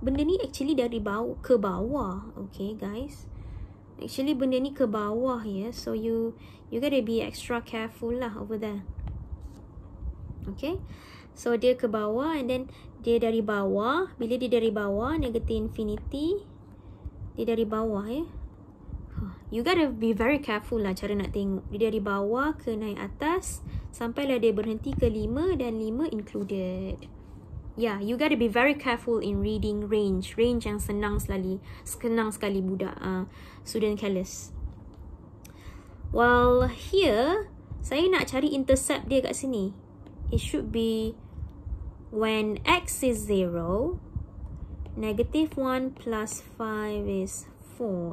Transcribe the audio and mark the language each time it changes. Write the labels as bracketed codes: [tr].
[ms] Benda ni actually dari bawah ke bawah. Okay, guys. Actually, benda ni ke bawah, ya. [en] Yeah? So, you gotta be extra careful lah over there. Okay. [ms] So, dia ke bawah and then dia dari bawah. Bila dia dari bawah, negative infinity, dia dari bawah, ya. Yeah? [en] You gotta be very careful [ms] lah cara nak tengok. Dia dari bawah ke naik atas. Sampailah dia berhenti ke 5 dan 5 included. [en] Yeah, you gotta be very careful in reading range. Range [ms] yang senang sekali budak. [en] Student careless. [ms] Well, here, saya nak cari intercept dia kat sini. [en] It should be when x is 0, negative 1 plus 5 is 4.